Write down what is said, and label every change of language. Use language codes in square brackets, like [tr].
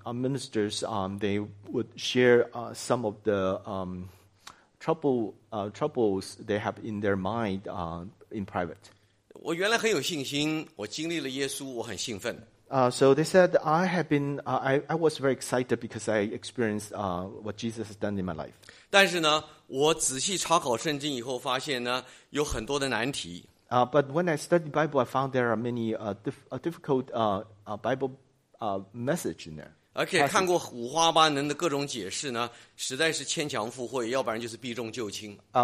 [en] So those preachers, ministers, they would share some of the troubles they have in their mind in private. [zh] 我原来很有信心，我经历了耶稣，我很兴奋。 [en] So they said I was very excited because I experienced what Jesus has done in my life. [zh] 但是呢，我仔细查考圣经以后，发现呢有很多的难题。 [en] But when I studied Bible, I found there are many difficult Bible messages in there. [zh] 而且看过五花八门的各种解释呢，实在是牵强附会，要不然就是避重就轻。